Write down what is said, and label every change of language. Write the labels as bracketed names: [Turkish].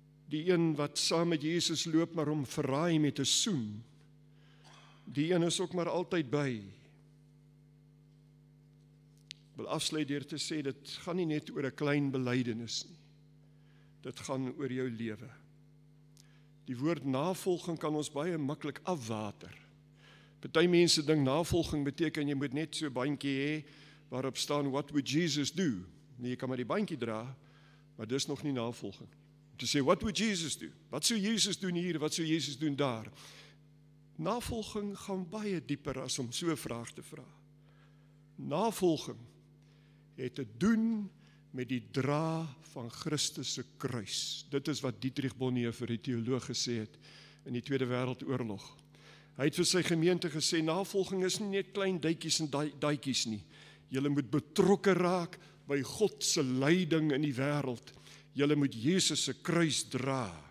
[Afrikaans] Die een wat saam met Jesus loop, maar hom verraai met 'n soen, die een is ook maar altyd by. Ek wil afsluit deur te sê, dit gaan nie net oor 'n klein belydenis nie, dit gaan oor jou lewe. Die woord navolging kan ons baie maklik afwater. Party mense dink navolging beteken, jy moet net so 'n bandjie hê, waarop staan, [English] what would Jesus do? [Afrikaans] Nee, jy kan maar die bandjie dra, maar dis nog nie navolging. Te sê, [English] what would Jesus do? [Afrikaans] Wat sou Jesus doen hier, wat sou Jesus doen daar? Navolging gaan baie dieper as om so 'n vraag te vra. Navolging het te doen met die dra van Christus se kruis. Dit is wat Dietrich Bonhoeffer, die teoloog, gesê het in die Tweede Wêreldoorlog. Hy het vir sy gemeente gesê, navolging is nie net klein duitjies en duitjies nie. Julle moet betrokke raak by God se leiding in die wêreld. Julle moet Jesus se kruis dra.